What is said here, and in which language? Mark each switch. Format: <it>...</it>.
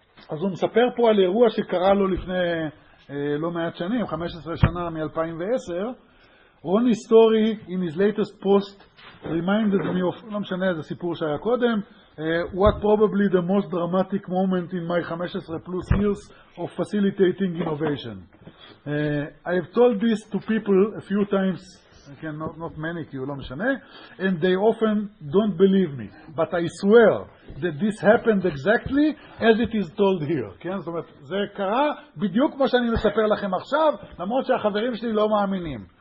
<he>אז הוא מספר פה על אירוע שקרה לו לפני לא מעט שנים, 15 שנה מ-2010.</he> <en>רוני סטורי, in his latest post, reminded me of,</en> <he>לא משנה, זה סיפור שהיה קודם,</he> <en>what probably the most dramatic moment in my 15 plus years of facilitating innovation. I have told this to people a few times Okay, not many,</en> <he>כי הוא לא משנה.</he> <en>And they often don't believe me. But I swear that this happened exactly as it is told here.</en> <he>כן? זאת אומרת, זה קרה בדיוק כמו שאני מספר לכם עכשיו, למרות שהחברים שלי לא מאמינים.</he>